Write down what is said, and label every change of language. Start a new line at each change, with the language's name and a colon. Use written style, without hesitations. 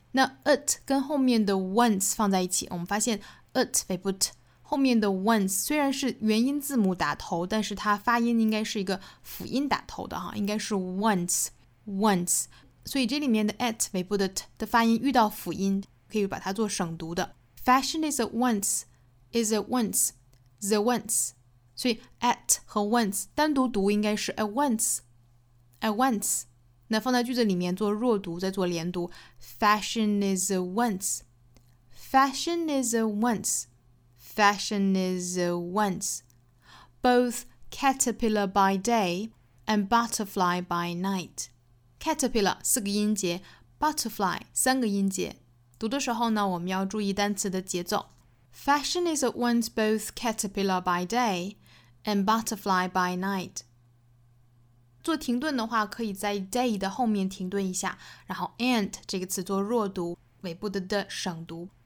Chinese: 那 it 跟后面的 once 放在一起，我们发现 it 非不 t 后面的 once 虽然是元音字母打头，但是它发音应该是一个辅音打头的哈，应该是 once。所以这里面的 at 尾部的 t 的发音遇到辅音，可以把它做省读的。
English: Fashion is at once, is at once, the once.
Chinese: 所以 at 和 once 单独读应该是
English: at once, at once.
Chinese: 那放在句子里面做弱读，再做连读。
English: Fashion is at once, fashion is at once, fashion is at once. Both caterpillar by day and butterfly by night.
Chinese: Caterpillar 四个音节 ，butterfly 三个音节。读的时候呢，我们要注意单词的节奏。
English: Fashion is at once both caterpillar by day and butterfly by night。
Chinese: 做停顿的话，可以在 day 的后面停顿一下，然后 and 这个词做弱读，尾部的 the 省读。